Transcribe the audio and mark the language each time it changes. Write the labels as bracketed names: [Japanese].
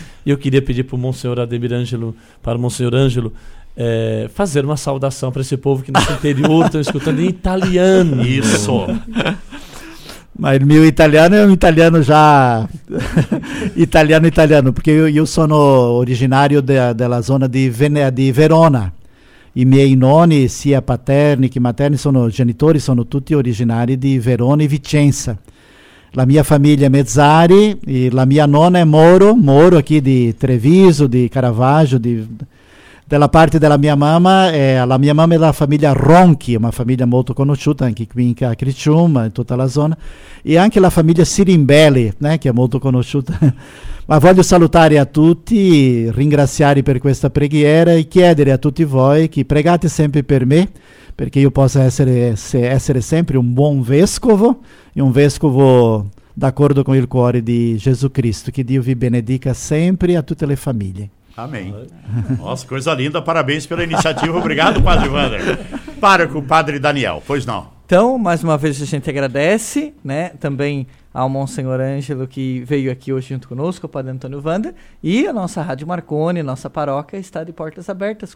[Portuguese] E eu queria pedir para o Monsenhor Ademir Ângelo, para o Monsenhor Ângelo, fazer uma saudação para esse povo que no interior estão escutando em italiano. Isso. Mas meu italiano é um italiano já... italiano, porque eu sou originário da zona de Verona. [Italian] E miei nonni, sia paterni che materni, sono genitori, sono tutti originari di Verona e Vicenza. La mia famiglia è Mezzari e la mia nonna è Moro qui di Treviso, di Caravaggio, della parte della mia mamma. La mia mamma è la famiglia Ronchi, una famiglia molto conosciuta anche qui in Criciúma, in tutta la zona. E anche la famiglia Sirimbelli, né, che è molto conosciuta. Ma voglio salutare a tutti, ringraziare per questa preghiera e chiedere a tutti voi che pregate sempre per me, perché io possa essere sempre un buon vescovo e un vescovo d'accordo con il cuore di Gesù Cristo. Che Dio vi benedica sempre a tutte le famiglie. [Portuguese] Amém. Nossa, coisa linda, parabéns pela iniciativa. Obrigado, Padre Wander. Para com o Padre Daniel, pois não. Então, mais uma vez a gente agradece, né, também ao Monsenhor Ângelo que veio aqui hoje junto conosco, o Padre Antônio Wander, e a nossa Rádio Marconi, nossa paróquia, está de portas abertas.